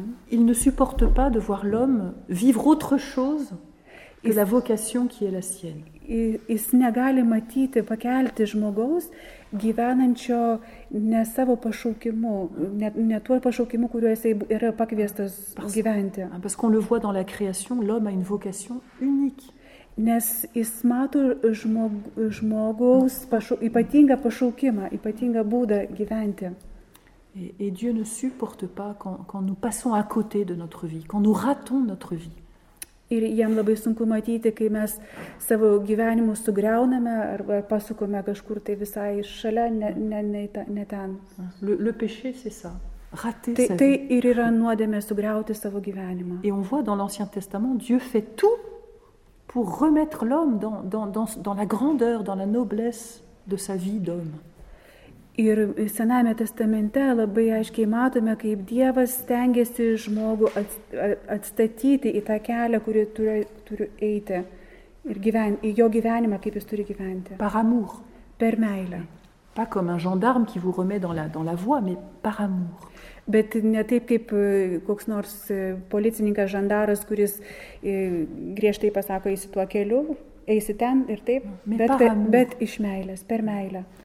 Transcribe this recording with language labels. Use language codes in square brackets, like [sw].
[fr] Il ne supporte pas de voir l'homme vivre autre chose que la vocation qui est la sienne. [lt] Jis negali matyti, pakelti žmogaus, gyvenančio ne savo pašaukimu, ne tuo pašaukimu, kuriuo jis yra pakviestas gyventi. [fr] Parce qu'on le voit dans la création, l'homme a une vocation unique. [lt] Nes jis mato žmogaus ypatingą pašaukimą, ypatingą būdą gyventi. [fr] Et Dieu ne supporte pas quand nous passons à côté de notre vie, quand nous ratons notre vie. [lt] Ir jam labai sunku matyti, kai mes savo gyvenimu sugriauname arba pasukome kažkur tai visai šalia, ne ten. [fr] Le péché, c'est ça. Rater sa vie. [lt] Tai ir yra nuodėmė sugriauti savo gyvenimą. [fr] Et on voit dans l'Ancien Testament, Dieu fait tout pour remettre l'homme dans la grandeur, dans la noblesse de sa vie d'homme. [lt] Ir Senajame testamente labai aiškiai matome, kaip Dievas stengiasi žmogų atstatyti į tą kelią, kurį turiu eiti. Ir į jo gyvenimą, kaip jis turi gyventi. [fr] Par amour. [lt] Per meilę. [fr] Pas comme un gendarme qui vous remet dans la voie, mais par amour. [lt] Bet ne taip kaip koks nors policininkas, žandaras, kuris griežtai pasako, eisi tuo keliu, eisi ten ir taip, bet iš meilės, per meilę.